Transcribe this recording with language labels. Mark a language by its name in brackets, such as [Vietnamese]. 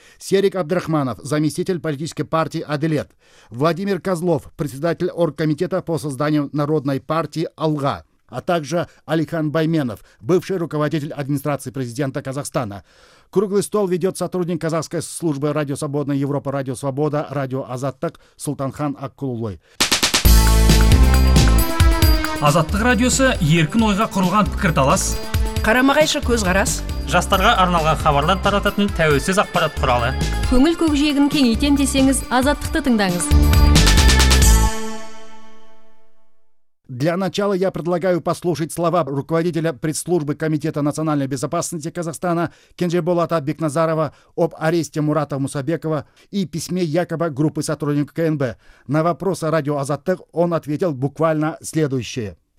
[Russian] Серик Абдрахманов, заместитель политической партии «Аделет». Владимир Козлов, председатель оргкомитета по созданию народной партии «Алга». А также Алихан Байменов, бывший руководитель администрации президента Казахстана. Круглый стол ведет сотрудник казахской службы Радио Свободная Европа, Радио Свобода, Радио Азаттык, Султанхан Аққұлұлы. [Kazakh] Азаттық радиосы еркін ойға құрылған пікірталас. Қарама-қайшы көзқарас. Жастарға арналған хабарлар тарататын тәуелсіз ақпарат құралы. Көңіл көкжиегін кеңейтем десеңіз, Азаттықты тыңдаңыз. [Russian] Для начала я предлагаю послушать слова руководителя пресс-службы Комитета национальной безопасности Казахстана Кенжеболата Бекназарова об аресте Мурата Мусабекова и письме якобы группы сотрудников КНБ. На вопрос о радио «Азаттык» он ответил буквально следующее.